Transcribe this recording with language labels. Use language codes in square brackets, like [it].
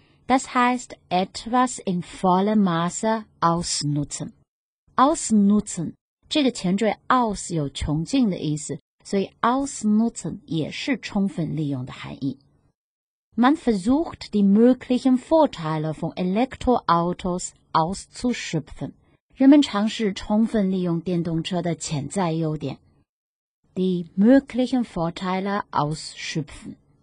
[de] Das heißt etwas in vollem Maße ausnutzen. [zh] Ausnutzen 这个前缀 aus 有穷尽的意思，所以 ausnutzen 也是充分利用的含义。 [de] Man versucht die möglichen Vorteile von Elektroautos auszuschöpfen. [zh] 人们尝试充分利用电动车的潜在优点。 [de] Die möglichen Vorteile ausschöpfen.